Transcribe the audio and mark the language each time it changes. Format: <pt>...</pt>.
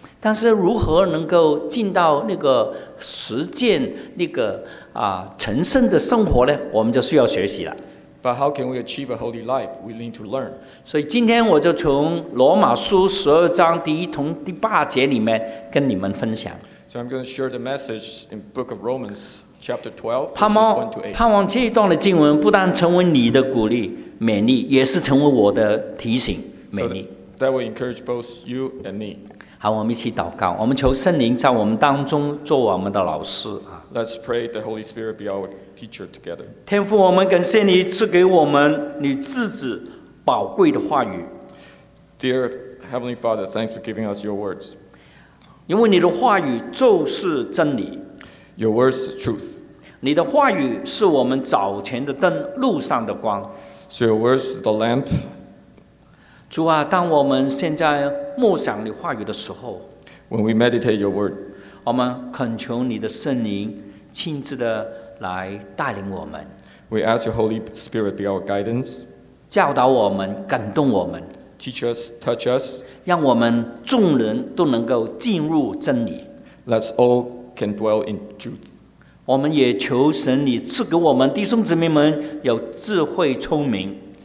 <zh>但是如何能够进到那个实践那个成圣的生活呢？我们就需要学习了。</zh> <en>But how can we achieve a holy life? We need to learn.</en> <zh>所以今天我就从罗马书十二章第一同第八节里面跟你们分享。</zh> <en>So I'm going to share the message in Book of Romans, chapter 12, verses 1 to 8.</en> <zh>盼望这一段的经文不但成为你的鼓励、勉励，也是成为我的提醒、勉励。</zh> <en>So that will encourage both you and me.</en> <zh>好，我们一起祷告，我们求圣灵在我们当中做我们的老师。</zh> <en>Let's pray the Holy Spirit be our teacher together.</en> <zh>天父，我们感谢你赐给我们你自己宝贵的话语。</zh> <en>Dear Heavenly Father, thanks for giving us your words.</en> <zh>因为你的话语就是真理。</zh> <en>Your words is truth.</en> <zh>你的话语是我们早前的灯，路上的光。</zh> <en>So your words the lamp.</en> <zh>主啊，当我们现在默想你话语的时候。</zh> <en>When we meditate your word.</en> <zh>我们恳求你的圣灵亲自的来带领我们。</zh> <en>We ask your Holy Spirit be our guidance.</en> <zh>教导我们，感动我们。</zh> <en>Teach us, touch us.</en> <zh>让我们众人都能够进入真理。</zh> <en>Let's all can dwell in truth.</en> <zh>我们也求神你赐给我们弟兄姊妹们有智慧聪明。</zh>